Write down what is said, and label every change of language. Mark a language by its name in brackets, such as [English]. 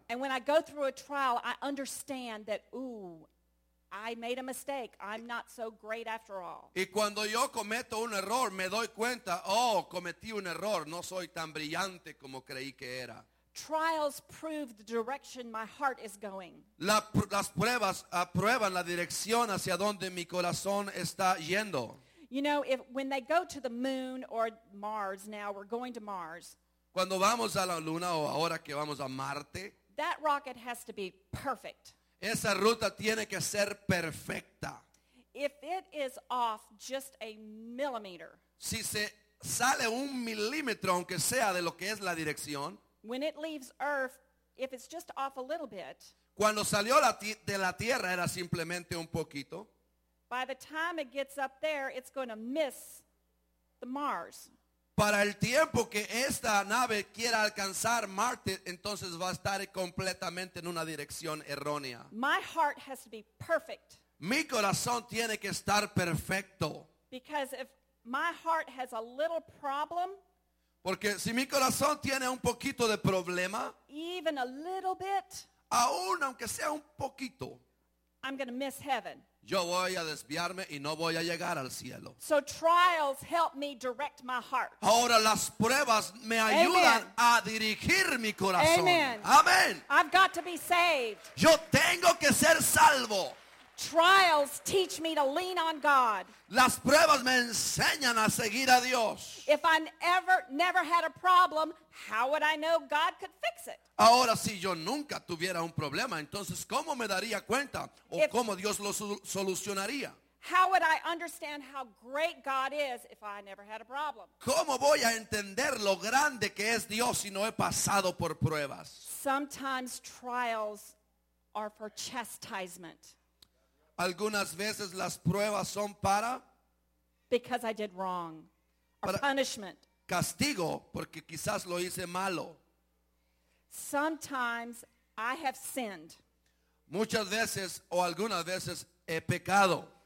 [English] And when I go through a trial, I understand that, I made a mistake. I'm not so great after all. [Spanish] Y cuando yo cometo un error, me doy cuenta, cometí un error. No soy tan brillante como creí que era. [English] Trials prove the direction my heart is going. [Spanish] Las pruebas aprueban la dirección hacia donde mi corazón está yendo. [English] You know, when they go to the moon or Mars now, we're going to Mars. [Spanish] Cuando vamos a la luna o ahora que vamos a Marte. [English] That rocket has to be perfect. [Spanish] Esa ruta tiene que ser perfecta. [English] If it is off just a millimeter. [Spanish] Si se sale un milímetro, aunque sea de lo que es la dirección. [English] When it leaves Earth, if it's just off a little bit. [Spanish] Cuando salió de la Tierra era simplemente un poquito. [English] By the time it gets up there, it's going to miss the Mars. [Spanish] Para el tiempo que esta nave quiera alcanzar Marte, entonces va a estar completamente en una dirección errónea. [English] My heart has to be perfect. [Spanish] Mi corazón tiene que estar perfecto. [English] Because if my heart has a little problem, [Spanish] porque si mi corazón tiene un poquito de problema, [English] even a little bit, [Spanish] aún aunque sea un poquito, [English] I'm going to miss heaven. [Spanish] Yo voy a desviarme y no voy a llegar al cielo. [English] So trials help me direct my heart. [Spanish] Ahora las pruebas me ayudan. [English] Amen. [Spanish] A dirigir mi corazón. [English] Amen. Amen. I've got to be saved. [Spanish] Yo tengo que ser salvo. [English] Trials teach me to lean on God. [Spanish] Las pruebas me enseñan a seguir a Dios. [English] If I never had a problem, how would I know God could fix it? [Spanish] Ahora, si yo nunca tuviera un problema, entonces, ¿cómo me daría cuenta? ¿O cómo Dios lo solucionaría? [English] How would I understand how great God is if I never had a problem? [Spanish] ¿Cómo voy a entender lo grande que es Dios si no he pasado por pruebas? [English] Sometimes trials are for chastisement. [Spanish] Algunas veces las pruebas son para, [English] because I did wrong, or punishment. [Spanish] Castigo, porque quizás lo hice malo. [English] Sometimes I have sinned. [Spanish] Muchas veces o algunas veces he pecado.